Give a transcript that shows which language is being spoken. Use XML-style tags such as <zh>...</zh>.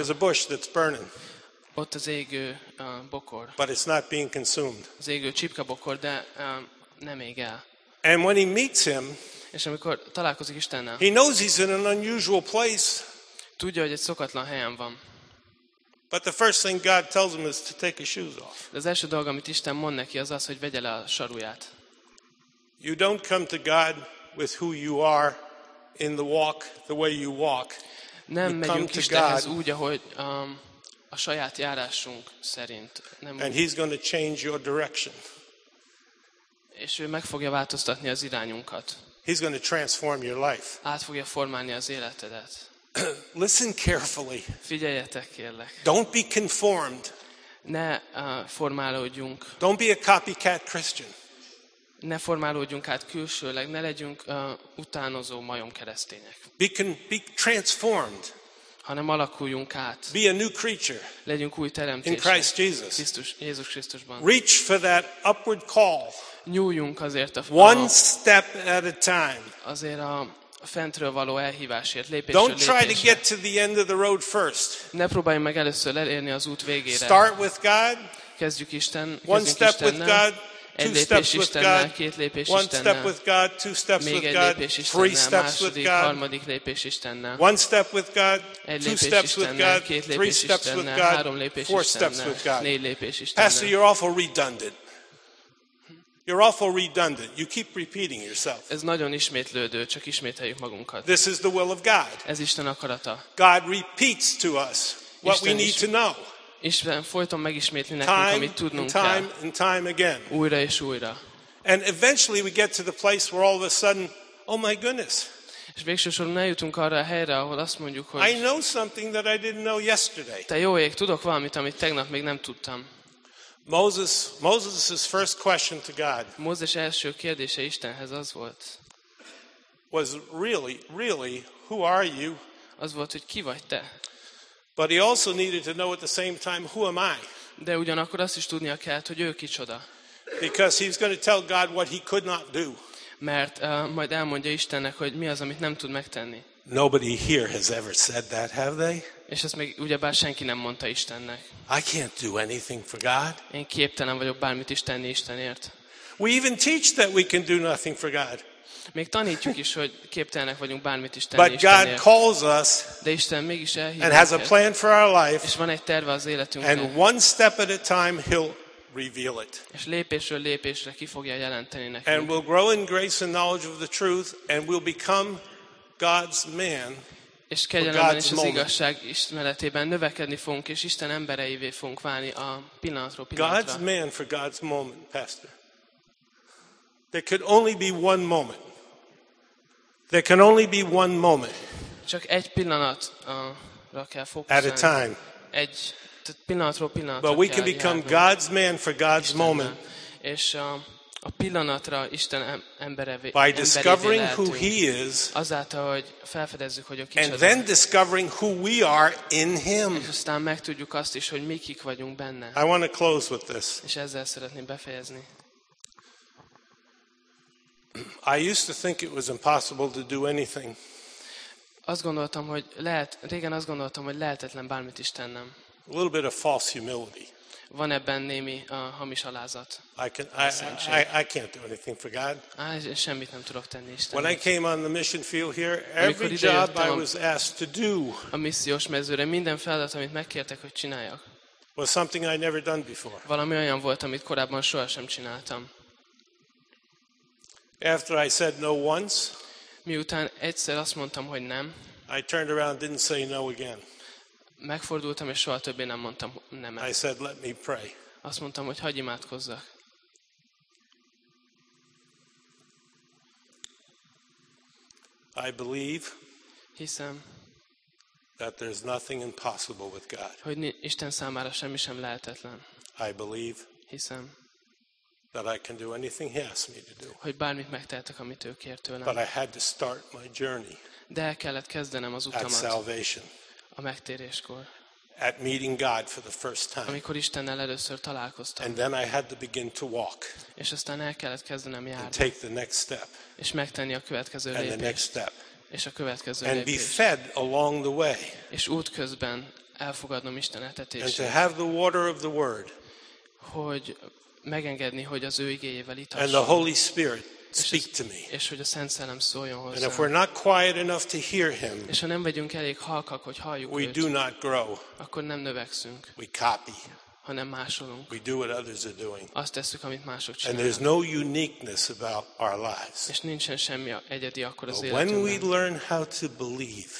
<en>There's a bush that's burning.</en> <hu>Ott az égő bokor.</hu> <en>But it's not being consumed.</en> <hu>Az égő csipka bokor, de nem ég el.</hu> <en>And when he meets him,</en> <hu>és amikor találkozik Istennel,</hu> <en>he knows he's in an unusual place.</en> <hu>Tudja, hogy egy szokatlan helyen van.</hu> <en>But the first thing God tells him is to take his shoes off.</en> <hu>De az első dolog, amit Isten mond neki, az az, hogy vegye le a saruját.</hu> <en>You don't come to God with who you are in the walk, the way you walk.</en> <hu>Nem megyünk Istenhez úgy, ahogy a saját járásunk szerint. Nem.</hu> <en>And he's going to change your direction.</en> <hu>És ő meg fogja változtatni az irányunkat.</hu> <en>He's going to transform your life.</en> <hu>Át fogja formálni az életedet.</hu> <en>Listen carefully.</en> <hu>Figyeljetek, kérlek.</hu> <en>Don't be conformed.</en> <hu>Ne formálódjunk.</hu> <en>Don't be a copycat Christian.</en> <hu>Ne formálódjunk át külsőleg, ne legyünk utánozó majom keresztények.</hu> <en>Be transformed.</en> <hu>Hanem alakuljunk át.</hu> <en>Be a new creature.</en> <hu>Legyünk új teremtések.</hu> <en>In Christ Jesus.</en> <hu>Jézus Krisztusban.</hu> <en>Reach for that upward call.</en> <hu>Nyúljunk azért a</hu> <en>one step at a time.</en> <hu>Azért a fentről való elhívásért, lépésről lépésre.</hu> <en>Don't try to get to the end of the road first.</en> <hu>Ne próbálj meg először elérni az út végére.</hu> <en>Start with God.</en> <hu>Kezdjük Isten,</hu> <en>one step with God.</en> <hu>Egy lépés Istennel, két lépés Istennel.</hu> <en>One step with God, two steps with God, three steps with God.</en> <hu>Második, harmadik lépés Istennel.</hu> <en>One step with God, two steps with God, three steps with God,</en> <hu>három lépés Istennel,</hu> <en>four steps with God.</en> <hu>Négy lépés Istennel.</hu> <en>Pastor, you're awful redundant. You're awful redundant. You keep repeating yourself.</en> <hu>Ez nagyon ismétlődő, csak ismételjük magunkat.</hu> <en>This is the will of God.</en> <hu>Ez Isten akarata.</hu> <en>God repeats to us what we need to know.</en> <hu>Isten folyton megismétli nekünk, amit tudnunk kell.</hu> <en>Time and time again.</en> <hu>Újra és újra.</hu> <en>And eventually we get to the place where all of a sudden, oh my goodness.</en> <hu>És végső soron eljutunk arra a helyre, ahol azt mondjuk, hogy</hu> <en>I know something that I didn't know yesterday.</en> <hu>Te jó ég, tudok valamit, amit tegnap még nem tudtam.</hu> <en>Moses's first question to God.</en> <hu>Mózes első kérdése Istenhez az volt.</hu> <en>Was really, really, who are you?</en> <hu>Az volt, hogy ki vagy te.</hu> <en>But he also needed to know at the same time who am I?</en> <hu>De ugyanakkor azt is tudnia kellett, hogy ő kicsoda.</hu> <en>Because he's going to tell God what he could not do.</en> <hu>Mert majd elmondja Istennek, hogy mi az, amit nem tud megtenni.</hu> <en>Nobody here has ever said that, have they?</en> <hu>És ezt még ugyebár senki nem mondta Istennek.</hu> <en>I can't do anything for God.</en> <hu>Én képtelen vagyok bármit is tenni Istenért.</hu> <en>We even teach that we can do nothing for God.</en> <hu>Még tanítjuk is, hogy képtelenek vagyunk bármit is tenni</hu> <en>But God calls us,</en> <hu>de Isten mégis elhív</hu> <en>and has a plan for our life,</en> <hu>és van egy terve az életünkre,</hu> <en>and one step at a time he'll reveal it.</en> <hu>És lépésről lépésre ki fogja jelenteni nekünk.</hu> <en>And we'll grow in grace and knowledge of the truth, and we'll become God's man,</en> <hu>és kegyelemben és az igazság ismeretében növekedni fogunk, és Isten embereivé fogunk válni a pillanatról pillanatra.</hu> <en>God's man for God's moment, Pastor. There could only be one moment. There can only be one moment.</en> <hu>Csak egy pillanat, kell fókuszálni.</hu> <en>At a time.</en> <hu>Egy pillanatról pillanatra.</hu> <en>But we can become God's man for God's</en> <hu>Istennel.</hu> <en>Moment.</en> <hu>És a pillanatra Isten emberévé.</hu> <en>By discovering who he is.</en> <hu>Azáltal, hogy felfedezzük, hogy ő kicsoda.</hu> <en>And then discovering who we are in him.</en> <hu>És aztán megtudjuk azt is, hogy mi kik vagyunk benne.</hu> <en>I want to close with this.</en> <hu>És ezzel szeretném befejezni.</hu> <en>I used to think it was impossible to do anything.</en> <hu>Azt gondoltam, hogy lehet, régen azt gondoltam, hogy lehetetlen bármit is tennem.</hu> <en>A little bit of false humility.</en> <hu>van ebben némi hamis alázat.</hu> <en>I can't do anything for God.</en> <hu>Semmit nem tudok tenni Istennek.</hu> <en>When I came on the mission field here, every job I was asked to do.</en> <hu>A missziós mezőre minden feladat, amit megkértek, hogy csináljak.</hu> <en>Was something I never done before.</en> <hu>Valami olyan volt, amit korábban sohasem csináltam.</hu> <en>After I said no once.</en> <hu>Miután egyszer azt mondtam, hogy nem.</hu> <en>I turned around, didn't say no again.</en> <hu>Megfordultam és soha többé nem mondtam nemet.</hu> <en>I said, let me pray.</en> <hu>Azt mondtam, hogy hagyj imádkozzak.</hu> <en>I believe.</en> <hu>Hiszem.</hu> <en>That there's nothing impossible with God.</en> <hu>Hogy Isten számára semmi sem lehetetlen.</hu> <en>I believe.</en> <hu>Hiszem.</hu> <en>That I can do anything He asks me to do.</en> <hu>Hogy bármit megtehetek, amit ő kér tőlem.</hu> <en>But I had to start my journey.</en> <hu>De el kellett kezdenem az utamat.</hu> <en>At salvation.</en> <hu>A megtéréskor.</hu> <en>At meeting God for the first time.</en> <hu>Amikor Istennel először találkoztam.</hu> <en>And then I had to begin to walk.</en> <hu>És aztán el kellett kezdenem járni.</hu> <en>And take the next step.</en> <hu>És megtenni a következő lépést.</hu> <en>And the next step.</en> <hu>És a következő</hu> <en>and</en> <hu>lépést.</hu> <en>And be fed along the way.</en> <hu>És útközben elfogadnom Isten etetését.</hu> <en>And to have the water of the word.</en> <hu>Hogy megengedni, hogy az ő igéjével itassam.</hu> <en>And the Holy Spirit speak to me.</en> <hu>És hogy a Szent Szellem szóljon hozzám.</hu> <en>And if we're not quiet enough to hear him.</en> <hu>És ha nem vagyunk elég halkak, hogy halljuk őt.</hu> <en>We do not grow.</en> <hu>Akkor nem növekszünk.</hu> <en>We copy.</en> <hu>Hanem másolunk.</hu> <en>We do what others are doing.</en> <hu>Azt tesszük, amit mások csinálnak.</hu> <en>And there's no uniqueness about our lives.</en> <hu>És nincsen semmi egyedi akkor az életünkben.</hu> <en>When we learn how to believe.</en>